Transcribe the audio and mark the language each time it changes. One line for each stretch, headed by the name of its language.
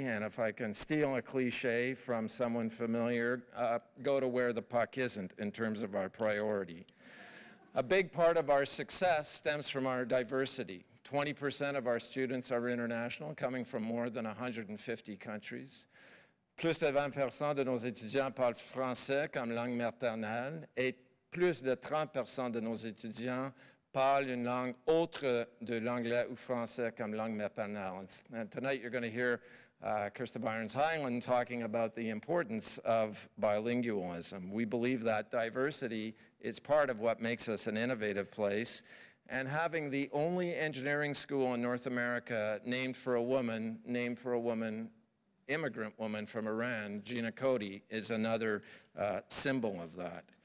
English: And if I can steal a cliche from someone familiar, go to where the puck isn't in terms of our priority. A big part of our success stems from our diversity. 20% of our students are international, coming from more than 150 countries.
French: Plus de 20% de nos étudiants parlent français comme langue maternelle, et plus de 30% de nos étudiants parle une langue autre de l'anglais ou français comme langue maternelle.
English: And tonight you're going to hear Krista Byers-Heinlein talking about the importance of bilingualism. We believe that diversity is part of what makes us an innovative place, and having the only engineering school in North America named for a woman, immigrant woman from Iran, Gina Cody, is another symbol of that.